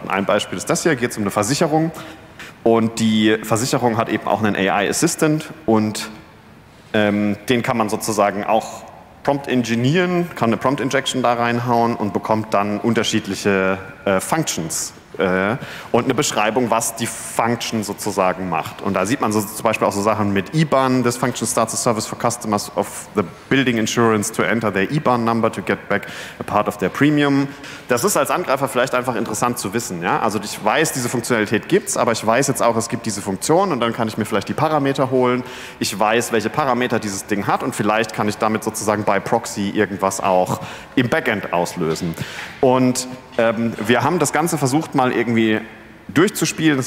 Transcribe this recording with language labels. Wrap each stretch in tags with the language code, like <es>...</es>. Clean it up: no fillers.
<de>Und ein Beispiel ist das hier, geht es um eine Versicherung. Und die Versicherung hat eben auch einen AI Assistant und den kann man sozusagen auch prompt engineeren, kann eine Prompt Injection da reinhauen und bekommt dann unterschiedliche Functions und eine Beschreibung, was die Function sozusagen macht. Und da sieht man so zum Beispiel auch so Sachen mit IBAN.</de> <en>This function starts a service for customers of the building insurance to enter their IBAN number to get back a part of their premium.</en> <de>Das ist als Angreifer vielleicht einfach interessant zu wissen. Ja? Also ich weiß, diese Funktionalität gibt's, aber ich weiß jetzt auch, es gibt diese Funktion und dann kann ich mir vielleicht die Parameter holen. Ich weiß, welche Parameter dieses Ding hat und vielleicht kann ich damit sozusagen by proxy irgendwas auch im Backend auslösen. Und wir haben das Ganze versucht, mal irgendwie durchzuspielen.</de>